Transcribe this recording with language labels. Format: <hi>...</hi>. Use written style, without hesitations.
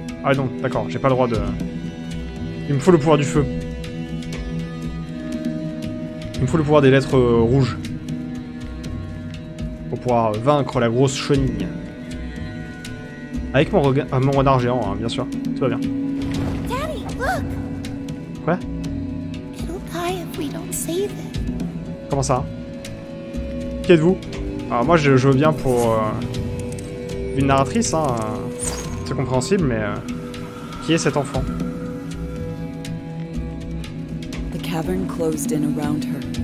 <fr>Ah non, d'accord, j'ai pas le droit de. Il me faut le pouvoir du feu. Il me faut le pouvoir des lettres rouges. Pour pouvoir vaincre la grosse chenille. Avec mon renard géant, hein, bien sûr. Tout va bien.</fr> <en>Daddy, look.</en> <fr>Quoi?</fr> <en>It'll die if we don't save it.</en> <fr>Comment ça? Qui êtes-vous? Alors moi, je veux bien pour... une narratrice, hein. C'est compréhensible, mais... qui est cet enfant?</fr> <en>The cavern closed in around her.</en>